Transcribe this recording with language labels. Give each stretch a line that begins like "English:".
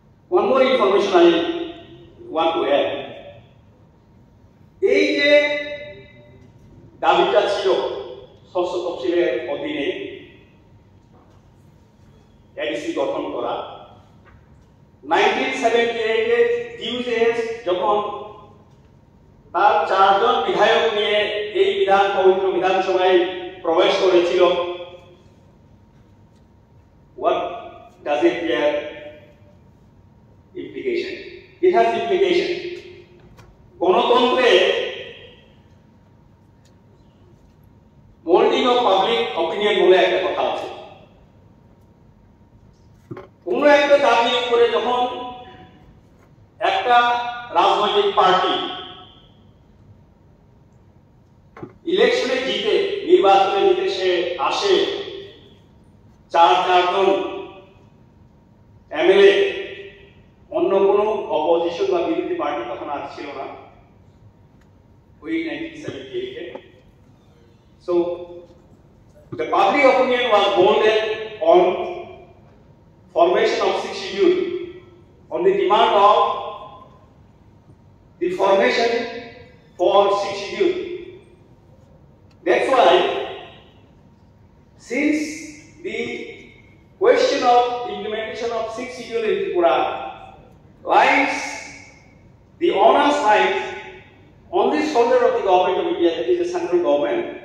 English: one more information I want to have,
Bangla: এই যে দাবিটা ছিল ষষ্ঠ তফসিলের অধীনে এডিসি গঠন করা, 1978 যখন তার চারজন বিধায়ক নিয়ে এই বিধান পবিত্র বিধানসভায় প্রবেশ করেছিল।
English: What does it bear implication? It has implication.
Bangla: গণতন্ত্রে মোল্ডিং অফ পাবলিক অপিনিয়ন বলে একটা কথা আছে। কোন একটা দাবি উপরে যখন একটা রাজনৈতিক পার্টি ইলেকশনে জিতে নির্বাচনে জিতে সে আসে চার চারজন এমএলএ, অন্য কোন অপোজিশন বা বিরোধী পার্টি তখন আর ছিল না ওই 1978-এ।
English: So the public opinion was bolded on formation of six schedule on the demand of the formation for six schedule. That's why, since the question of implementation of six schedule in Tripura lies, the onus lies on the shoulder of the government of India, that is the central government.